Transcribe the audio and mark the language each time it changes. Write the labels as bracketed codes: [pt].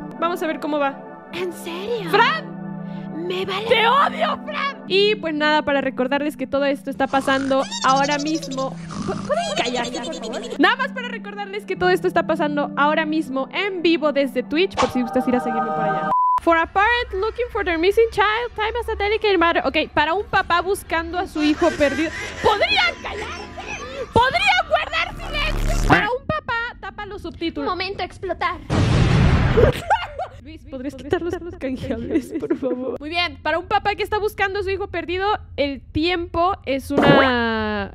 [es] Vamos a ver cómo va. ¿En serio? ¡Fran! ¡Me vale! ¡Te odio, Fran! Y pues nada, para recordarles que todo esto está pasando ahora mismo. ¿Pueden callar ya, por favor? Nada más para recordarles que todo esto está pasando ahora mismo en vivo desde Twitch, por si gustas ir a seguirme por allá. [en] For a parent looking for their missing child, time as a delicate matter. [es] Ok, para un papá buscando a su hijo perdido. ¿Podrían callarse? ¿Podrían guardar silencio? Para un papá, tapa los subtítulos. Momento a explotar. Luis, ¿podrías quitarlos a los canjeables, por favor? Muy bien, para un papá que está buscando a su hijo perdido, el tiempo es una...